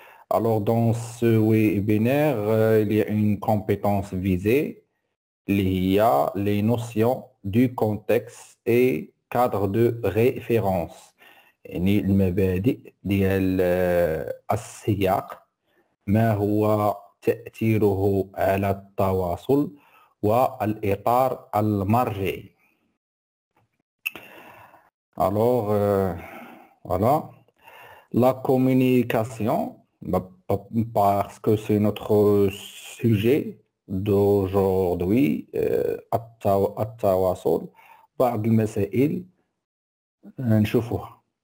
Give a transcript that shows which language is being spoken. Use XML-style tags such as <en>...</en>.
<fr>Alors, dans ce webinaire, il y a une compétence visée, l'IA, les notions du contexte et cadre de référence.</fr> <ar>يعني المبادئ ديال السياق، ما هو تأثيره على التواصل والإطار المرجعي.</ar> <fr>Alors voilà, la communication, parce que c'est notre sujet d'aujourd'hui,</fr> <ar>التواصل بعض المسائل نشوفوها.</ar>